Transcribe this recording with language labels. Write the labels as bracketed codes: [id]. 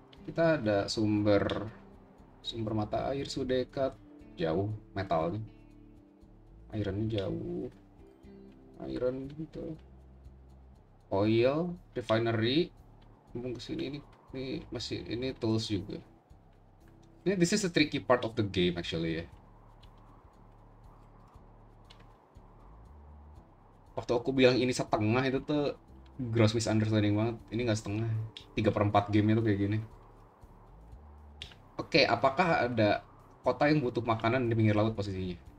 [id] Kita ada sumber sumber mata air sudah dekat, jauh metalnya. Ironnya jauh. Iron itu. Oil refinery. Mumpung ke sini ini masih ini tools juga. [en] Ini this is a tricky part of the game actually ya. [id] Waktu aku bilang ini setengah itu tuh gross misunderstanding banget. Ini nggak setengah, 3/4 game itu kayak gini. Oke, apakah ada kota yang butuh makanan di pinggir laut posisinya?